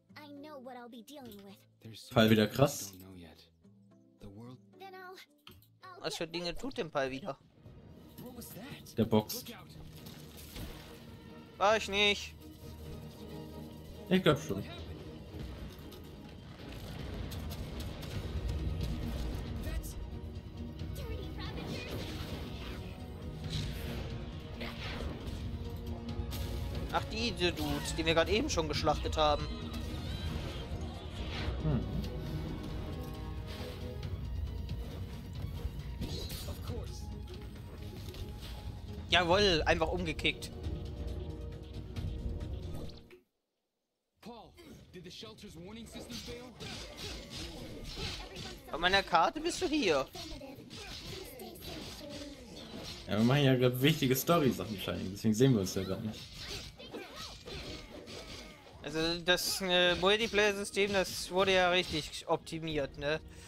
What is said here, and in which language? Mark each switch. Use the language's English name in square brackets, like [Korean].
[English] I know what I'll be dealing with. [German] Fall wieder krass. [English] The world... Then I'll [German] was für Dinge tut denn Fall wieder? Der boxt. War ich nicht. Ich glaub schon. Ach, die Dudes, die wir gerade eben schon geschlachtet haben. Jawohl, einfach umgekickt. [English] Paul, did the shelter's warning system fail? [German] Auf meiner Karte bist du hier. Ja, wir machen ja gerade wichtige Story-Sachen scheinbar, deswegen sehen wir uns ja gerade nicht. Also das Multiplayer-System, das wurde ja richtig optimiert, ne?